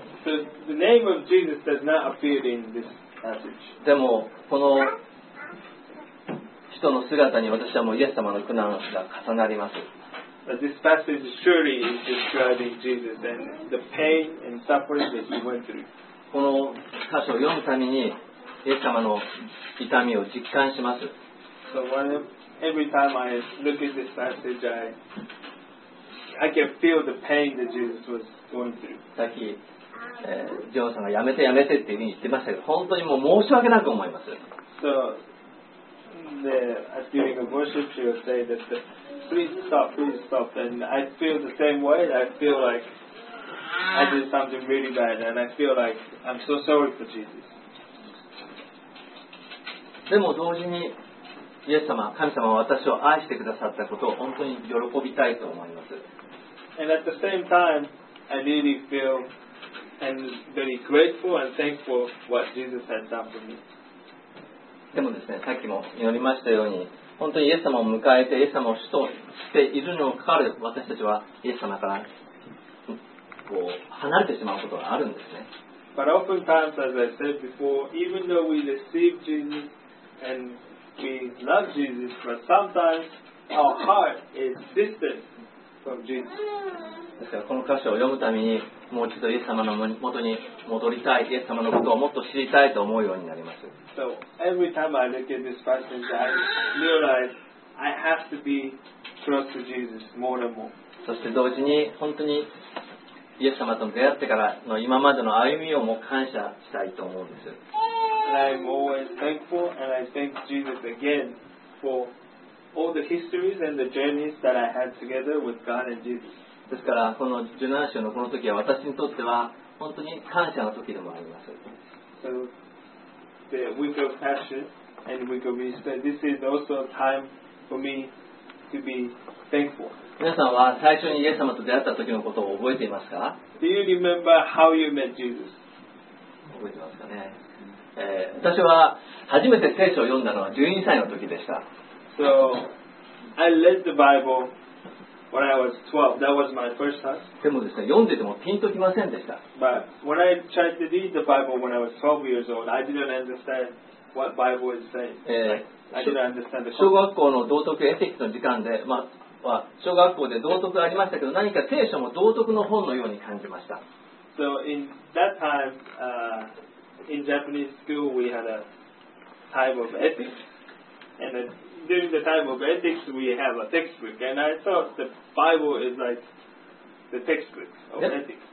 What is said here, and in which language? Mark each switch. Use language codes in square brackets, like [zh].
[en] The name of Jesus does not appear in this passage. [ja] でもこの人の姿に私はもうイエス様の苦難が重なります。 [en] This passage surely is describing Jesus and the pain and suffering that he went through. [ja] この箇所を読むためにイエス様の痛みを実感します。 [en] So when every time I look at this passage, I can feel the pain that Jesus was going through. [ja] さっき、ジョーさんがやめてやめてっていうふうに言ってましたけど、本当にもう申し訳なく思います。 [en] So, the, during the worship, she would say that, please stop, please stop. And I feel the same way. I feel like I did something really bad. And I feel like I'm so sorry for Jesus. [ja] でも同時に、イエス様、神様は私を愛してくださったことを本当に喜びたいと思います。 [en] And at the same time, I really feel and very grateful and thankful what Jesus had done for me. [ja] でもですね、さっきも祈りましたように、本当にイエス様を迎えてイエス様を主としているにもかかわらず、私たちはイエス様からこう離れてしまうことがあるんですね。 [en] But oftentimes, as I said before, even though we receive Jesus andWe love Jesus, but sometimes our heart is distant from Jesus. [ja] ですからこの箇所を読むためにもう一度イエス様の元に戻りたい、イエス様のことをもっと知りたいと思うようになります。 [en] So every time I look at this passage, I realize I have to be close to Jesus more and more. [ja] そして同時に本当にイエス様と出会ってからの今までの歩みをも感謝したいと思うんです。 [en] And I'm always thankful and I thank Jesus again for all the histories and the journeys that I had together with God and Jesus. [ja] ですからこの17章のこの時は私にとっては本当に感謝の時でもあります。 [en] So the week of Passion and week of Easter, this is also a time for me to be thankful. [ja] 皆さんは最初にイエス様と出会った時のことを覚えていますか? [en] Do you remember how you met Jesus? [ja] 覚えてますかね? 私は初めて聖書を読んだのは12歳の時でした。 [en] So, I read the Bible when I was 12. That was my first time. [ja] でもですね、読んでてもピンときませんでした。 [en] But when I tried to read the Bible when I was 12 years old, I didn't understand what Bible is saying. I didn't understand the concept. [ja] 小学校の道徳エティクスの時間で、まあ、小学校で道徳がありましたけど、何か聖書も道徳の本のように感じました。 [en] So, in that time, In Japanese school, we had a time of ethics, and during the time of ethics, we have a textbook. And I thought the Bible is like the textbook of ethics.